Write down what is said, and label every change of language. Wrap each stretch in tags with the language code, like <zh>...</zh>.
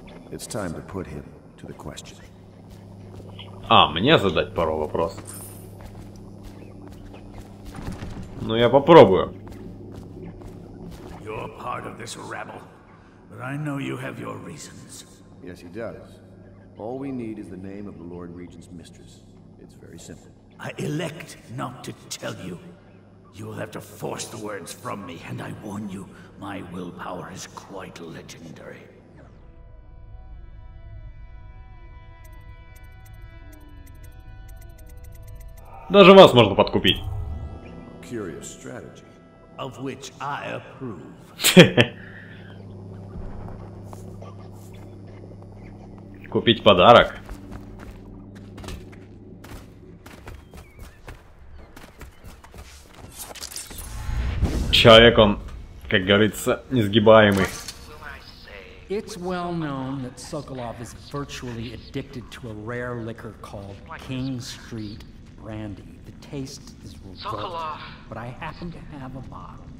<en>It's time to put him to the question.</en> <ru>А, мне задать пару вопросов. Ну я попробую.</ru> <en>You're part of this rabble. But I know you have your reasons. Yes, he does. All we need is the name of the Lord Regent's mistress. It's very simple. I elect not to tell you. You will have to force the words from me, and I warn you, my willpower is quite legendary.</en> <ru>Даже вас можно подкупить.</ru> <en>Curious strategy. Of which I approve.</en> <ru>Купить подарок. Человек он, как говорится, несгибаемый.</ru> <en>It's well known that Sokolov is virtually addicted to a rare liquor called King Street Brandy. The taste is revolting, but I happen to have a bottle.</en>